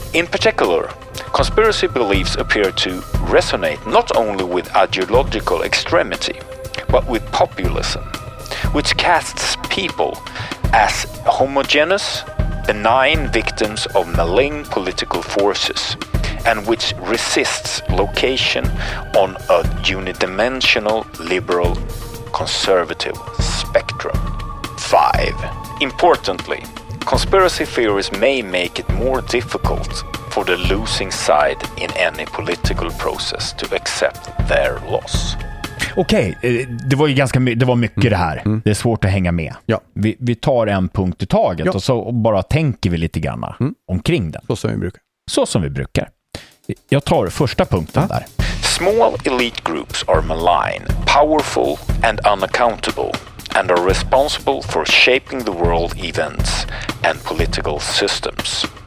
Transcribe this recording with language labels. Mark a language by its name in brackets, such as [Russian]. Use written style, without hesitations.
[English] In particular, conspiracy beliefs appear to resonate not only with ideological extremity, but with populism, which casts people as homogeneous, benign victims of malign political forces, and which resists location on a unidimensional liberal conservative spectrum. 5. Importantly, conspiracy theories may make it more difficult for the losing side in any political process to accept their loss. [Swedish] Okej, det var ju ganska mycket det här. Det är svårt att hänga med. Ja. Vi tar en punkt i taget och så bara tänker vi lite grann omkring den. Så som vi brukar. Så som vi brukar. Jag tar första punkten där. [English] Small elite groups are malign, powerful and unaccountable and are responsible for shaping the world events and political systems.